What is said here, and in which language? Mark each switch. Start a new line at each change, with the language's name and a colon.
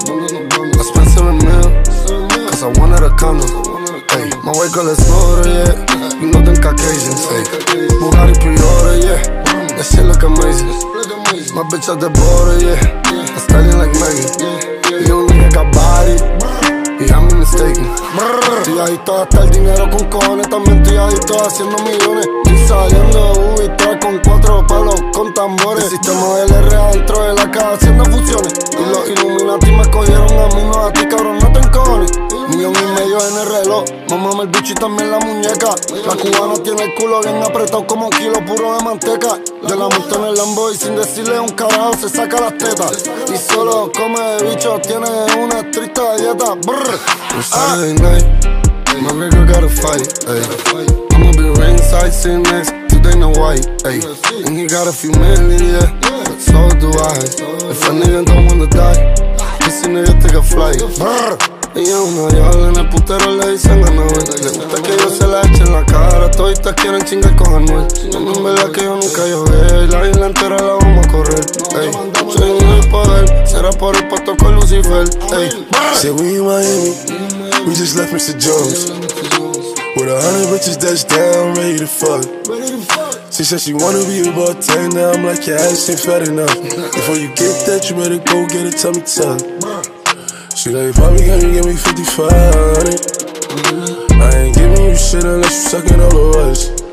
English: I spent 7 mil, cause I wanted a condo. Ay, my white girl is older, yeah. You know them Caucasians, ay. Bugatti pre-order, yeah. That shit look amazing. My bitch at the border, yeah. I studying like Megan. You don't think I got body? Yeah, I'm mistaken.
Spanish: Estoy adicto a gastar dinero con cojones. También estoy adicto a haciendo millones. Y saliendo de Ubi 3 con 4 palos con tambores. El sistema LR adentro de la casa haciendo fusiones. Y los Illuminati me cogieron a mí, no a ti, cabrón, no te encojones. Millón y medio en el reloj. Mamame el bicho y también la muñeca. La cubana tiene el culo bien apretado como kilo puro de manteca. Yo la monto en el Lambo y sin decirle un carajo se saca las tetas. Y solo come de bicho, tiene una triste dieta.
English: stop, brr. On Saturday night, my nigga gotta fight, ayy. I'ma be ringside sitting next to Dana White, ayy. And he got a few million, yeah, but so do I. If a nigga don't wanna die, this nigga take a flight, brr.
Spanish: Y a una diabla en el putero le dicen a Noel. Le gusta que yo se la eche en la cara. Toditas quieren chingar con Anuel. No, en verdad que yo nunca llogué. La isla entera la vamos a correr. Ey, soy un poder. Será por el pato con Lucifer. Ey,
English: say we in Miami. We just left Mr. Jones. With 100 bitches that's down, ready to fuck. She said she wanna be a bartender. I'm like, your ass ain't fat enough. Before you get that, you better go get a tummy tuck. She like, probably can you give me 5,500? I ain't giving you shit unless you suckin' all of us.